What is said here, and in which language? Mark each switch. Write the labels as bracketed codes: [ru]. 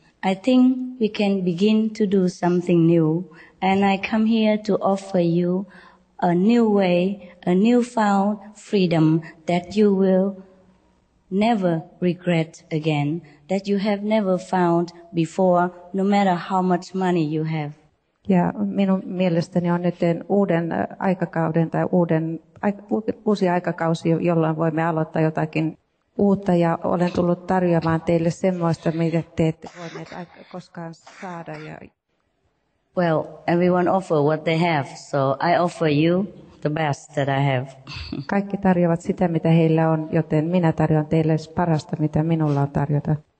[en] I think we can begin to do something new. And I come here to offer you a new way, a newfound freedom that you will never regret again, that you have never found before, no matter how much money you have. [fi] Ja minun mielestäni on nyt uuden aikakauden tai uusi aikakausi, jolloin voimme aloittaa jotakin uutta, ja olen tullut tarjoamaan teille semmoista, mitä te ette voineet koskaan saada. Ja [en] well, everyone offer what they have, so I offer you the best that I have. [fi] Kaikki tarjoavat sitä, mitä heillä on, joten minä tarjoan teille parasta, mitä minulla on tarjota.